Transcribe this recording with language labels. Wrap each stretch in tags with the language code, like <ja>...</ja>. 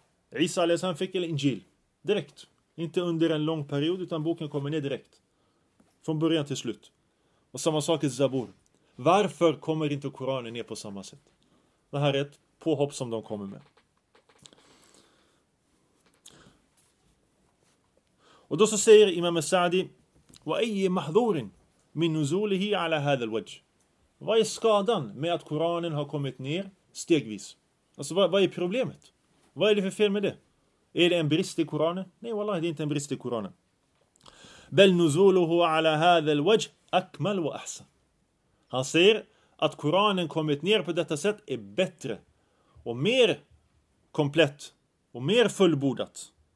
<sv>Isa alayhi salam fick en injil. Direkt. Inte under en lång period, utan boken kommer ner direkt. Från början till slut. Och samma sak i zabur. Varför kommer inte Koranen ner på samma sätt? Det här är ett påhopp som de kommer med. Och då så säger Imam Sa'di:</sv> <ar>وَأَيِّ مَحْذُورٍ مِنْ نُزُولِهِ عَلَى هَذَا الْوَجْهِ.</ar> <sv>Vad är skadan med att Koranen har kommit ner stegvis? Alltså, vad är problemet? Vad är det för fel med det? Är det en brist i Koranen? Nej, wallah, det är inte en brist i Koranen.</sv> <ar>بَلْ نُزُولُهُ عَلَى هَذَا الْوَجْهِ أَكْمَلْ وَأَحْسَنْ.</ar> <sv>Han säger att Koranen kommit ner på detta sätt är bättre och mer komplett och mer fullbordat.</sv>